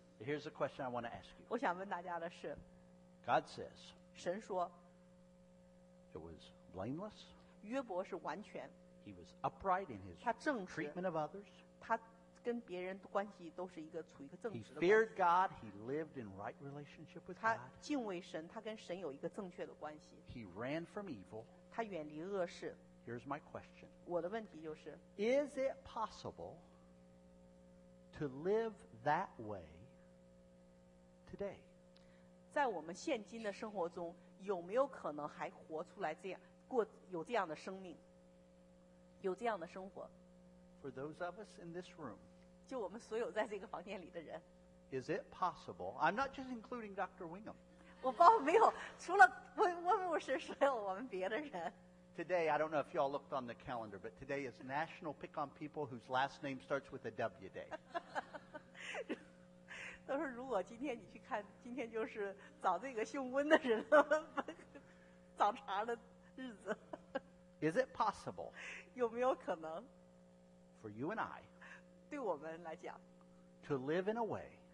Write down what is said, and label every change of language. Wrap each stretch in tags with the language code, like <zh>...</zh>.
<en>Here's a question I want to ask you.</en> <zh>我想问大家的是。</zh> <en>God says.</en> <zh>神说。</zh> <en>It was blameless.</en> <zh>约伯是完全。</zh> <en>He was upright in his treatment of others.</en> <zh>他跟别人的关系都是一个处于一个正直的关系。</zh> <en>He feared God. He lived in right relationship with God.</en> <zh>他敬畏神，他跟神有一个正确的关系。</zh> <en>He ran from evil.</en> <zh>他远离恶事。</zh> <en>Here's my question.</en> <zh>我的问题就是</zh> <en>Is it possible to live that way today?</en> <zh>在我们现今的生活中，有没有可能还活出来这样过有这样的生命，有这样的生活？</zh> <en>For those of us in this room,</en> <zh>就我们所有在这个房间里的人。</zh> <en>Is it possible? I'm not just including Dr. Wingham.</en> <zh>我包括没有除了温温牧师，所有我们别的人。</zh> <en>Today, I don't know if y'all looked on the calendar, but today is National Pick on People Whose Last Name Starts with a W Day.</en> <zh>都是如果今天你去看，今天就是找这个姓温的人找茬的日子。</zh> <en>Is it possible?</en> <zh>有没有可能</zh> <en>？For you and I,</en> <zh>对我们来讲</zh> <en>，to live in a way,</en>